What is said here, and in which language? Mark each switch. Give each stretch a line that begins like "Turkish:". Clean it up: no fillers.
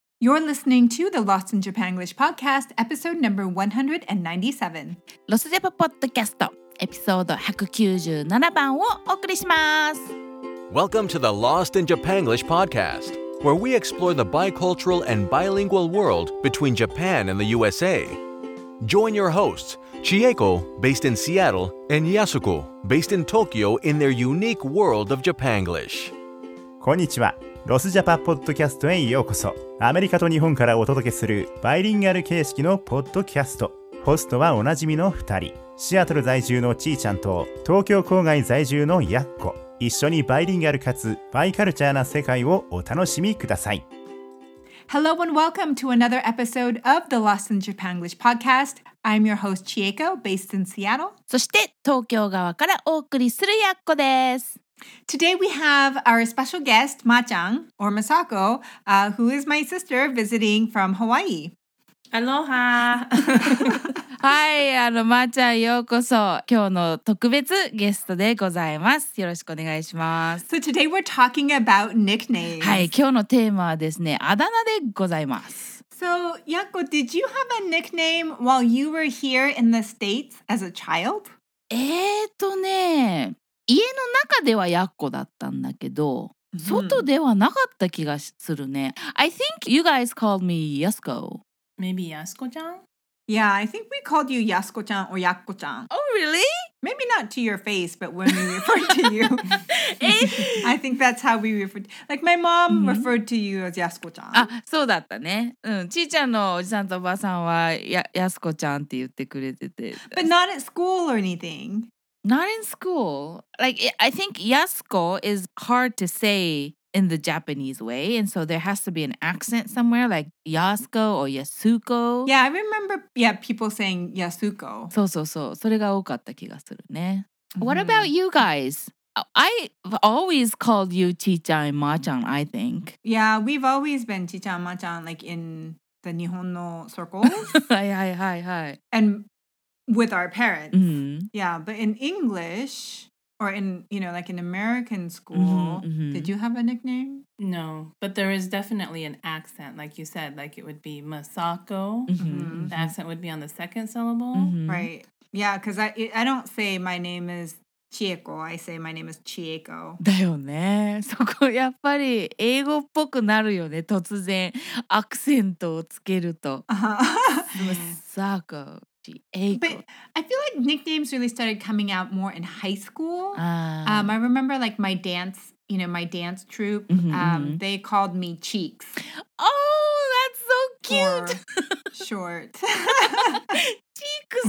English: You're listening to the Lost in Japanglish podcast, episode number 197.
Japanese: ロスジャパポッドキャスト、エピソード197番をお送りします。
English: Welcome to the Lost in Japanglish podcast, where we explore the bicultural and bilingual world between Japan and the USA. Join your hosts, Chieko, based in Seattle, and Yasuko, based in Tokyo, in their unique world of Japanglish.
Japanese: こんにちは。ロスジャパポッドキャストへようこそ。アメリカと日本からお届けするバイリンガル形式のポッドキャスト。ホストはおなじみの2人、シアトル在住のちーちゃんと東京郊外在住のやっこ。一緒にバイリンガルかつバイカルチャーな世界をお楽しみください。
English: Hello and welcome to another episode of the Lost in Japanglish podcast. I'm your host Chieko, based in Seattle.
Japanese: そして東京側からお送りするやっこです。
English: Today we have our special guest, Ma-chan, or Masako, who is my sister visiting from Hawaii. Aloha! Hi, Ma-chan,
Japanese: ようこそ. 今日の特別ゲストでございます。よろしくお願いします。
English: So today we're talking about nicknames.
Japanese: はい、今日のテーマはですね、あだ名でございます。
English: So, Yako, did you have a nickname while you were here in the States as a child?
Japanese: 家の中ではやっこだったんだけど、外ではなかった気がするね。
English: I think you guys called me Yasuko. Maybe Yasuko-chan? Yeah, I think we called you Yasuko-chan or Yakko-chan. Oh, really? Maybe not to your face, but when we referred to you. I think that's how we referred. Like, my mom referred to you as Yasuko-chan.
Japanese: あ、そうだったね。うん、ちーちゃんのおじさんとおばさんはやすこちゃんって言ってくれてて。
English: But not at school or anything. Not in school. Like, I think Yasuko is hard to say in the Japanese way. And so there has to be an accent somewhere like Yasuko or Yasuko. Yeah, I remember yeah, people saying Yasuko. So, so, so.
Japanese: それが多かった気がするね。
English: What about you guys? I've always called you Chi-chan and Ma-chan, I think. Yeah, we've always been Chi-chan and Ma-chan like in the Nihon no circles. Hi. And... With our parents. Yeah, but in English or in, you know, like in American school, did you have a nickname? No, but there is definitely an accent. Like you said, like it would be Masako. The accent would be on the second syllable. Right. Yeah, because I don't say my name is Chieko. I say my name is Chieko.
Japanese: だよね。そこやっぱり英語っぽくなるよね。突然アクセントをつけると。
English: Masako. But I feel like nicknames really started coming out more in high school. I remember like my dance, you know, my dance troupe, they called me Cheeks. Oh, that's so cute. Short. Cheeks?